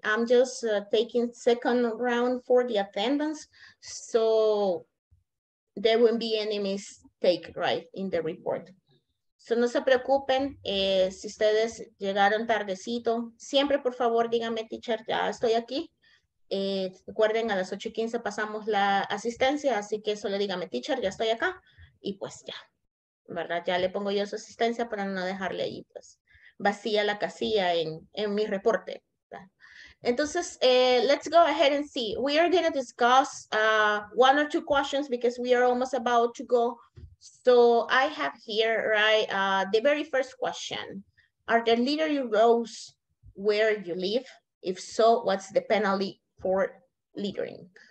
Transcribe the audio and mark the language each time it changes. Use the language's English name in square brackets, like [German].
[English] I'm just taking second round for the attendance. So there won't be any mistake, right, in the report. [Spanish] So no se preocupen si ustedes llegaron tardecito. Siempre, por favor, díganme, teacher, ya estoy aquí. Recuerden, a las 8:15 pasamos la asistencia, así que solo díganme, teacher, ya estoy acá. Y pues ya, ¿verdad? Ya le pongo yo su asistencia para no dejarle ahí, pues, vacía la casilla en mi reporte. [English] Entonces, let's go ahead and see. We are going to discuss one or two questions because we are almost about to go. So I have here, right, the very first question. Are there literary roads where you live? If so, what's the penalty for littering?